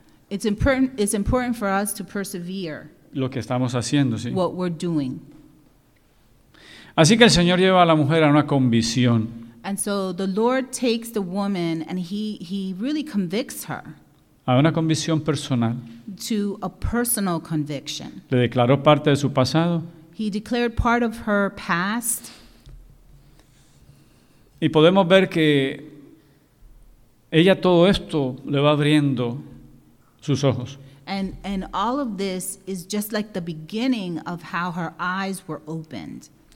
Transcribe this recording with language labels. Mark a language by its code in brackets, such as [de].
[en] It's important for us to persevere. [es] Lo que estamos haciendo, sí. [en] What we're doing. [es] Así que el Señor lleva a la mujer a una convicción. [en] And so the Lord takes the woman and he really convicts her. [es] A una convicción personal. [en] To a personal conviction. [es] Le declaró parte de su pasado. [en] He declared part of her past. [es] Y podemos ver que ella todo esto le va abriendo sus ojos. [en] And all of this is just like the beginning of how her eyes were opened.